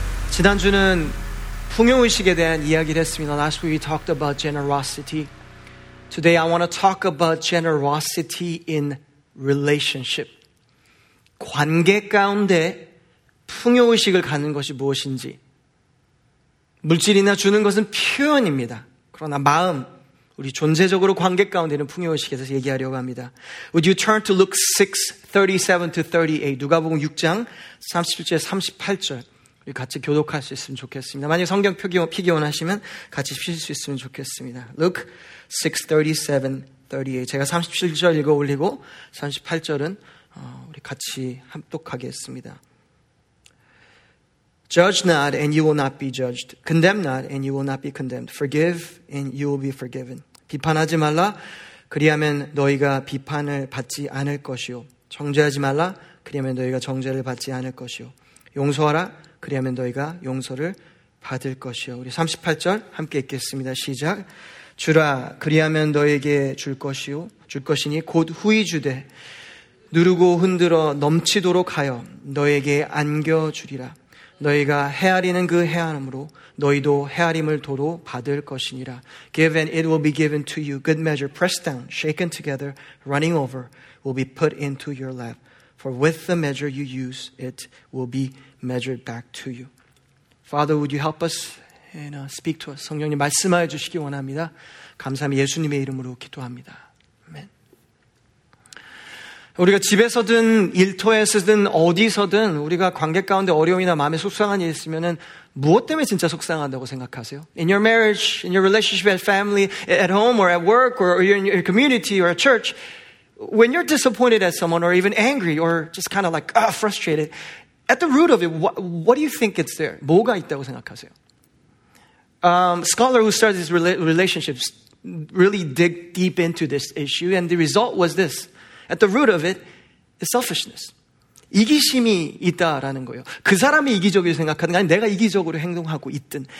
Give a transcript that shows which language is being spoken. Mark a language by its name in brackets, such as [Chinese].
[Korean] 지난주는 풍요의식에 대한 이야기를 했습니다. [English] Last week we talked about generosity. Today I want to talk about generosity in relationship. [Korean] 관계 가운데 풍요의식을 갖는 것이 무엇인지. 물질이나 주는 것은 표현입니다. 그러나 마음, 우리 존재적으로 관계 가운데는 풍요의식에서 얘기하려고 합니다. [English] Would you turn to Luke 6, 37 to 38. [Korean] 누가복음 6장 37절 38절. 우리 같이 교독할 수 있으면 좋겠습니다. 만약 성경 표기 원하시면 같이 쉬실 수 있으면 좋겠습니다. [English] Luke 6, 37, 38. [Korean] 제가 37절 읽어 올리고 38절은 우리 같이 합독하겠습니다. [English] Judge not and you will not be judged. Condemn not and you will not be condemned. Forgive and you will be forgiven. [Korean] 비판하지 말라. 그리하면 너희가 비판을 받지 않을 것이요. 정죄하지 말라. 그리하면 너희가 정죄를 받지 않을 것이요. 용서하라. 그리하면 너희가 용서를 받을 것이요. 우리 38절 함께 읽겠습니다. 시작. 주라. 그리하면 너에게 줄 것이요. 줄 것이니 곧 후이 주되 누르고 흔들어 넘치도록 하여 너에게 안겨주리라. 너희가 헤아리는 그 헤아림으로 너희도 헤아림을 도로 받을 것이니라. [English] Give and it will be given to you. Good measure, pressed down, shaken together, running over, will be put into your lap. For with the measure you use, it will be measured back to you. Father, would you help us and speak to us? [Korean] 성령님 말씀하여 주시기 원합니다. 감사합니다. 예수님의 이름으로 기도합니다. 아멘. 우리가 집에서든 일터에서든 어디서든 우리가 관계 가운데 어려움이나 마음에 속상한 일이 있으면은 무엇 때문에 진짜 속상한다고 생각하세요? [English] In your marriage, in your relationship, at family, at home, or at work, or in your community, or at church, when you're disappointed at someone, or even angry, or just kind of like frustrated, at the root of it, what do you think it's there? [Korean] 뭐가 있다고 생각하세요? [English] Scholar who started these relationships really dig deep into this issue, and the result was this. At the root of it is selfishness. [Korean] 이기심이 있다라는 거예요. 그 사람이 이기적이라고 생각하는 게 아니라 내가 이기적으로 행동하고 있든.